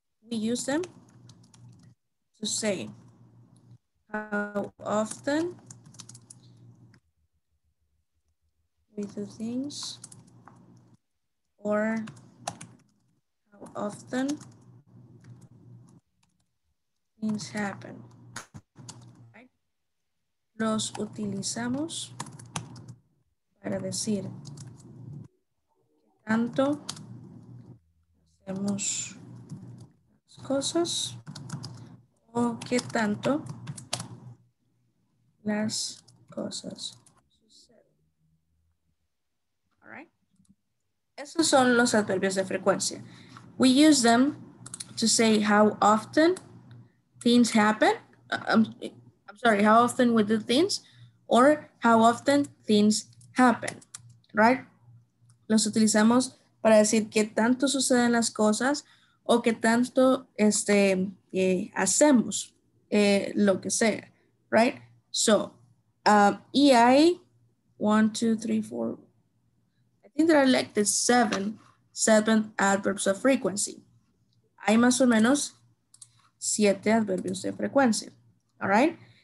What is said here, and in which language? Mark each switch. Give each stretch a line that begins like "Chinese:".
English: We use them to say how often we do things or how often things happen. Right?
Spanish: Los utilizamos para decir que tanto hacemos cosas o qué tanto las cosas suceden. All right. Esos son los adverbios de frecuencia.
English: We use them to say how often things happen. I'm sorry, how often we do things or how often things happen. Right?
Spanish: Los utilizamos para decir qué tanto suceden las cosas o qué tanto hacemos lo que sea, right?
English: So, EI, 1, 2, 3, 4. I think there are like the seven adverbs of frequency.
Spanish: Hay más o menos 7 adverbios de frecuencia, all right?